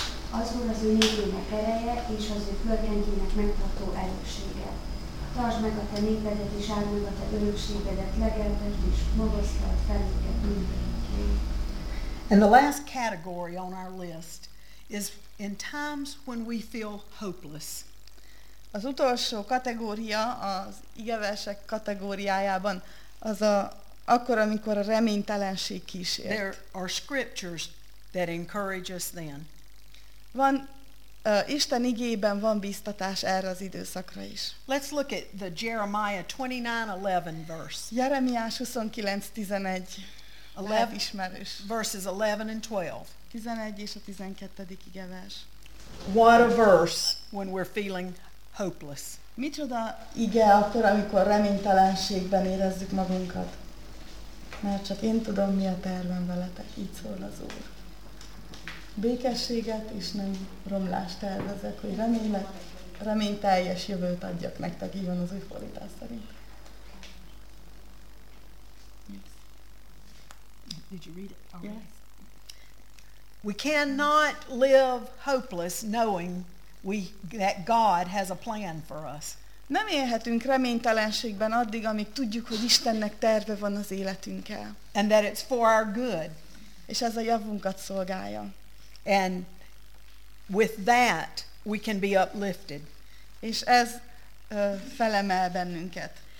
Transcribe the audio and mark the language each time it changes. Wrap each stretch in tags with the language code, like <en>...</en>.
<hu>Az Úr az ő népének ereje és az ő földjének megtartó erőssége. Tartsd meg a te népedet, és áld meg a te örökségedet, legeltet és magasztalt felünket mindenki.</hu> <en>And the last category on our list is in times when we feel hopeless.</en> <hu>Az utolsó kategória az igeversek kategóriájában az a, akkor, amikor a reménytelenség kísért.</hu> <en>There are scriptures that encourage us then.</en> <hu>Van Isten igében van biztatás erre az időszakra is.</hu> <en>Let's look at the Jeremiah 29:11 verse.</en> <hu>Jeremiás 29:11. Lehet ismerős.</hu> <en>Verses 11 and 12.</en> <hu>11 és a 12. igevers.</hu> <en>What a verse when we're feeling hopeless.</en> <hu>Micsoda ige akkor, amikor reménytelenségben érezzük magunkat. Mert csak én tudom, mi a tervem veletek, így szól az Úr. Békességet és nem romlást tervezek, hogy reményteljes jövőt adjak nektek, így van az új fordítás szerint.</hu> <en>Yes. Did you read it? Okay. Yes. We cannot live hopeless knowing that God has a plan for us.</en> <hu>Nem élhetünk reménytelenségben addig, amíg tudjuk, hogy Istennek terve van az életünkkel.</hu> <en>And that it's for our good.</en> <hu>És ez a javunkat szolgálja.</hu> <en>And with that we can be uplifted.</en> <hu>És ez felemel bennünket.</hu>